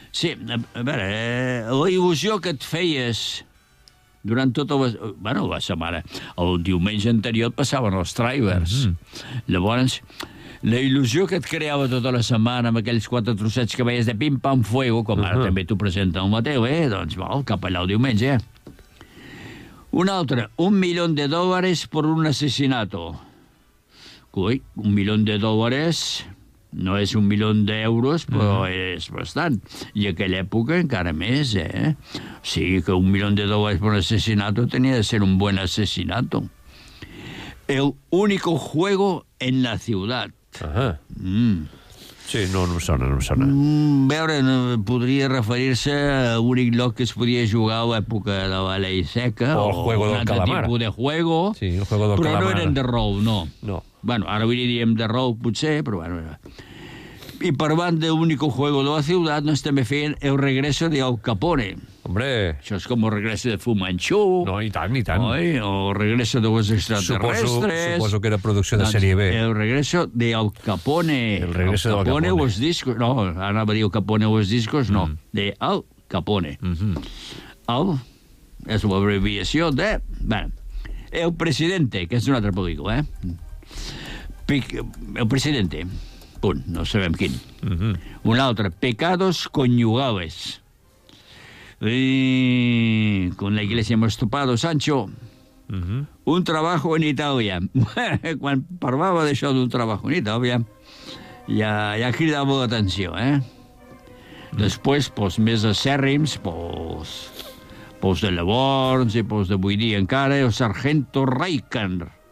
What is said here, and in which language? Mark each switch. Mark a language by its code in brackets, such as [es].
[ca] Sí, a veure, la il·lusió que et feies durant tota la... Bueno, la setmana... El diumenge anterior et passaven els drivers. Mm-hmm. Llavors, la il·lusió que et creava tota la setmana amb aquells quatre trossets que veies de pim-pam fuego, com ara també t'ho presenta el Mateu, eh? Doncs, val, cap allà el diumenge, eh? Un altre, $1,000,000 per un assassinato. Coi, $1,000,000 no és €1,000,000, però és bastant. I aquella època encara més, eh? O sigui que $1,000,000 per un assassinato tenia de ser un bon assassinato. [es] El único juego en la ciudad. [ca] Ajá. Mm. Sí, no em sona. Veure, podria referir-se a l'únic lloc que es podia jugar a l'època de la Ley Seca. [es] O el juego del calamar. [ca] O un altre tipus de juego. [es] Sí, el juego del calamar. [ca] Però no eren de rol, no. No. Bueno, ara avui diríem de rol, potser, però bueno. I per banda, l'únic juego de la ciutat, no estem fent el regreso de Al Capone. [es] Hombre. [ca] Això és com el regreso de Fu Manchu. No, i tant. Oi? [es] O el regreso de los extraterrestres. [ca] Suposo que era producció de sèrie B. [es] El regreso de Al Capone. El regreso Al Capone, de Al Capone. Los discos. [ca] No, ara va dir Al Capone o los discos, no. De Al Capone. Mm-hmm. Al, és una abreviació de... Bueno, El Presidente, que és un altre pel·lícula, eh? El Presidente. Punt, no sabem quin. Mm-hmm. Un altre, Pecados Conyugales. [es] Con la iglesia hemos topado, Sancho. Uh-huh. Un trabajo en Italia. [ca] Quan parlava d'això d'un trabajo en Italia, ja cridava l'atenció, eh? Després, pues, més acèrrims, pues, de llavors i pues, d'avui dia encara, el Sargento Reikern.